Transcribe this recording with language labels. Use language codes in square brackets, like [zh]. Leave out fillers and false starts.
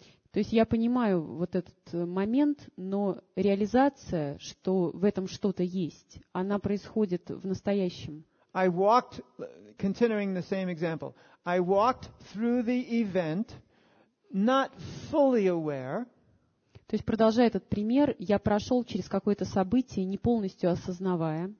[ru] То есть я понимаю вот этот момент, но реализация, что в этом что-то есть, она происходит в настоящем. [en] I walked, continuing the same example, I walked through the event, not fully aware. [ru] То есть, продолжая этот пример, я прошел через какое-то событие, не полностью осознавая.